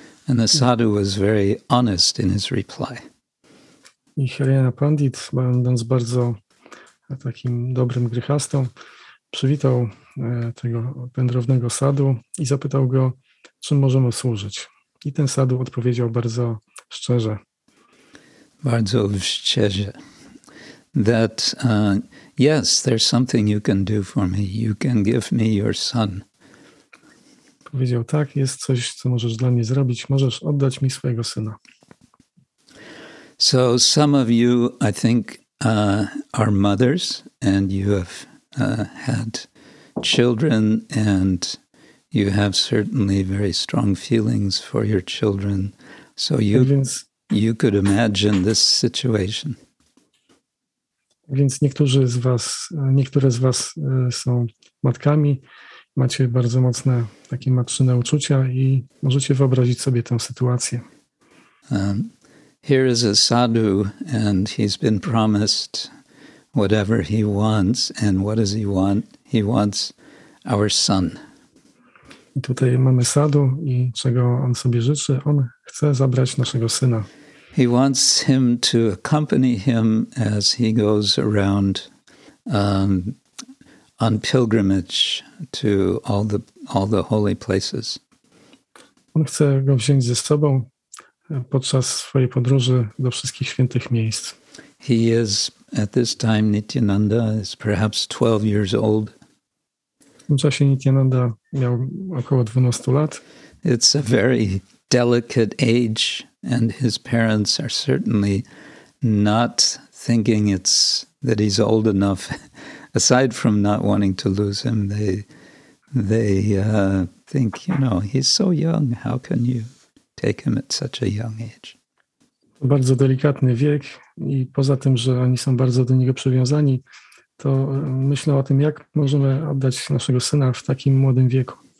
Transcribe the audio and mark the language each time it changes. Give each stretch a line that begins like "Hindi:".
English: And the sadhu was very honest in his reply.
Polish: I Hiranya Pandit, będąc bardzo takim dobrym grychastą, przywitał tego wędrownego sadhu i zapytał go, czym możemy służyć. I ten sadhu odpowiedział bardzo szczerze. Bardzo szczerze.
English: That yes, there's something you can do for me. You can give me your son.
Polish: Powiedział, tak, jest coś, co możesz dla mnie zrobić. Możesz oddać mi swojego syna.
English: So some of you, I think, are mothers, and you have had children, and you have certainly very strong feelings for your children. So you could imagine this situation.
Polish: Więc niektóre z was są matkami, macie bardzo mocne takie matczyne uczucia i możecie wyobrazić sobie tę sytuację.
English: Here is a sadhu, and he's been promised whatever he wants. And what does he want? He wants our son.
Polish: I tutaj mamy sadhu i czego on sobie życzy? On chce zabrać naszego syna.
English: He wants him to accompany him as he goes around on pilgrimage to all the holy places.
Polish: On chce go wziąć ze sobą podczas swojej podróży do wszystkich świętych miejsc.
English: He is at this time Nityananda is perhaps 12 years old.
Polish: W tym czasie Nityananda miał około 12 lat.
English: It's a very delicate age, and his parents are certainly not thinking it's that he's old enough. Aside from not wanting to lose him, they think, you know, he's so young. How can you take him at such a young age?
Polish: Bardzo delikatny wiek, i poza tym, że oni są bardzo do niego przywiązani, to myślę o tym, jak możemy oddać naszego syna w takim młodym wieku.